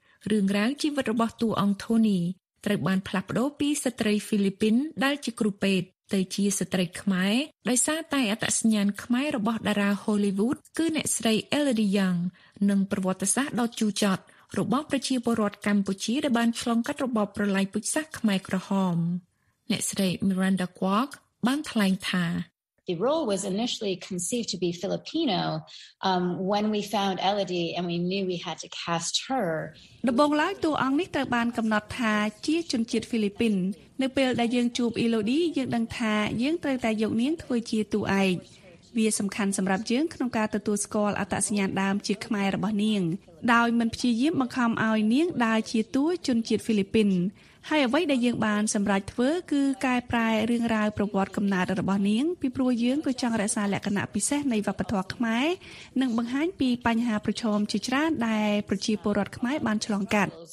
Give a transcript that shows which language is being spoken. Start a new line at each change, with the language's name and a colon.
Khmer: រឿងរ៉ាវជីវិតរបស់តួអង្គ Tony ត្រូវបានផ្លាស់ប្ដូរពីស្ត្រី Philippines ដែលជាគ្រូពេទ្យទៅជាស្ត្រីខ្មែរដោយសារតែអត្តសញ្ញាណខ្មែររបស់តារា Hollywood គឺអ្នកស្រី Elodie Young និងប្រវត្តិសាស្ត្រដ៏ជូរចត់របបប្រជាពលរដ្ឋកម្ពុជាដែលបានឆ្លងកាត់របបប្រល័យពូជសាសន៍ខ្មែរក្រហមអ្នកស្រី Miranda Kwok បានថ្លែងថា
English: The role was initially conceived to be Filipino when we found Elodie and we knew we had to cast her
Khmer: ដំបូងឡើយតួអង្គនេះត្រូវបានកំណត់ថាជាជនជាតិហ្វីលីពីននៅពេលដែលយើងជួប Elodie យើងដឹងថាយើងត្រូវតែយកនាងធ្វើជាតួឯក វាសំខាន់សម្រាប់យើងក្នុងការទទួលស្គាល់អត្តសញ្ញាណដើមជាខ្មែររបស់នាងដោយមិនព្យាយាមបង្ខំឲ្យនាងដើរជាតួជនជាតិហ្វីលីពីនហើយអ្វីដែលយើងបានសម្រេចធ្វើគឺកែប្រែរឿងរ៉ាវប្រវត្តិកំណើតរបស់នាងពីព្រោះយើងក៏ចង់រក្សាលក្ខណៈពិសេសនៃវប្បធម៌ខ្មែរនិងបង្ហាញពីបញ្ហាប្រឈមជាច្រើនដែលប្រជាពលរដ្ឋខ្មែរបានឆ្លងកាត